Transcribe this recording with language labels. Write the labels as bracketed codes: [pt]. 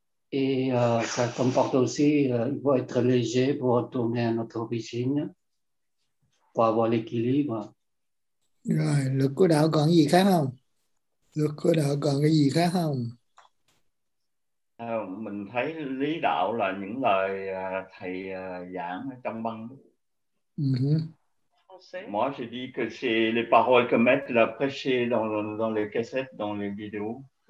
[fr] Et ça comporte aussi, il faut être léger pour retourner à notre origine, pour avoir l'équilibre. [vi] Rồi, luật của đạo còn gì khác không? Luật của đạo còn cái gì khác không? Mình thấy lý đạo là những lời thầy giảng trong băng. [fr] Moi, je dis que c'est les paroles que maître a prêchées dans les cassettes, dans les vidéos.